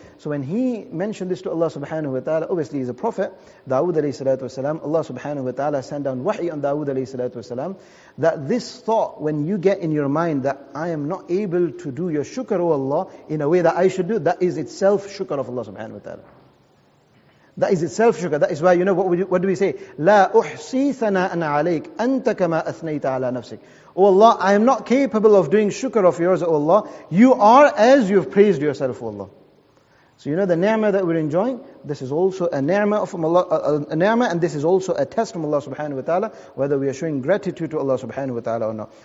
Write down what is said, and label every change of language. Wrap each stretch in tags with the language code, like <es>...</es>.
<en>So when he mentioned this to Allah subhanahu wa ta'ala, obviously he's a prophet, Dawood alayhi salatu wasalam, Allah subhanahu wa ta'ala sent down wahi on Dawood alayhi salatu wasalam, that this thought, when you get in your mind that I am not able to do your shukr, oh Allah, in a way that I should do, that is itself shukr of Allah subhanahu wa ta'ala. That is itself sugar. That is why, you know, what do we say?</en> <ar>لا أحصي ثناء عليك أنت كما أثنيت على نفسك.</ar> <en>Oh Allah, I am not capable of doing shukr of yours, oh Allah. You are as you've praised yourself, oh Allah. So you know the ni'mah that we're enjoying, this is also a ni'mah from Allah, a ni'mah, and this is also a test from Allah subhanahu wa ta'ala, whether we are showing gratitude to Allah subhanahu wa ta'ala or not.</en>